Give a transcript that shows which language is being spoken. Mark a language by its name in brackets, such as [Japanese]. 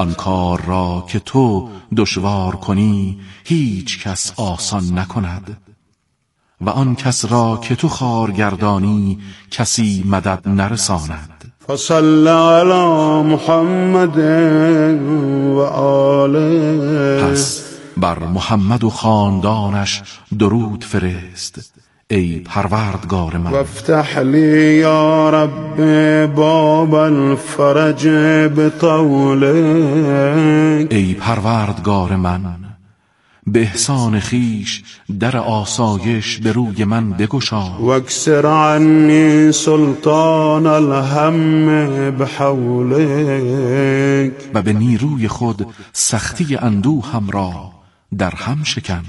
[Persian] آن کار را که تو دشوار کنی هیچ کس آسان نکند و آن کس را که تو خار گردانی کسی مدد نرساند. [Arabic] فصل على محمد و آله. [Persian] پس بر محمد و خاندانش درود فرست ای پروردگار من. [Arabic] وافتح لي يا رب باب الفرج بطولك. [Persian] ای پروردگار من به احسان خیش در آسایش به روی من بگشا. [Arabic] و اکسر عنی سلطان الهم بحولک. [Persian] و به نیروی خود سختی اندوهم را در هم شکن.